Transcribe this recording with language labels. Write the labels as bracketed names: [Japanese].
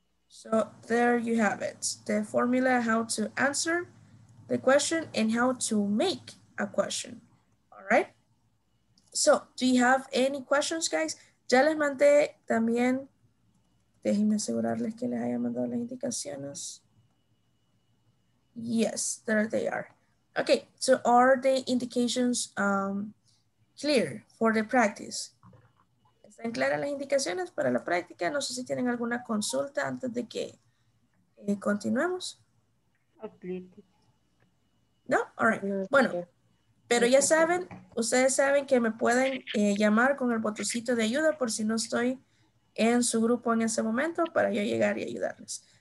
[English] So there you have it, the formula how to answer the question and how to make a question. All right. So do you have any questions, guys? [Spanish] Ya les mandé también, déjenme asegurarles que les haya mandado las indicaciones. [English] Yes, there they are. Okay, so are the indications clear for the practice? [Spanish] ¿Están claras las indicaciones para la práctica? No sé si tienen alguna consulta antes de que continuemos. [English] No, all right. [Spanish] Bueno, pero ya saben, ustedes saben que me pueden llamar con el botoncito de ayuda por si no estoy en su grupo en ese momento para yo llegar y ayudarles.